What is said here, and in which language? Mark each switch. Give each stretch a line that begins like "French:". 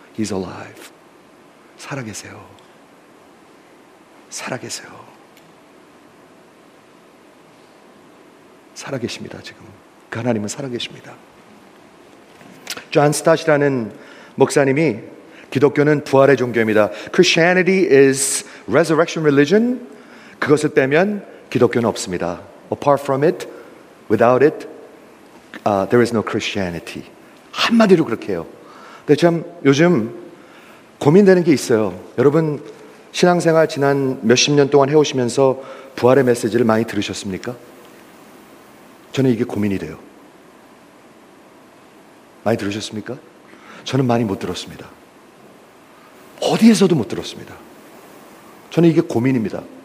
English: He's alive.
Korean: 살아계세요. 살아계세요. 살아계십니다, 지금. 그 하나님은 살아계십니다. 존 스탓이라는 목사님이 기독교는 부활의 종교입니다.
English: Christianity is resurrection religion.
Korean: 그것을 빼면 기독교는 없습니다.
English: Apart from it, without it, there is no Christianity.
Korean: 한마디로 그렇게 해요. 근데 참 요즘 고민되는 게 있어요. 여러분 신앙생활 지난 몇십 년 동안 해오시면서 부활의 메시지를 많이 들으셨습니까? 저는 이게 고민이 돼요. 많이 들으셨습니까? 저는 많이 못 들었습니다. 어디에서도 못 들었습니다. 저는 이게 고민입니다.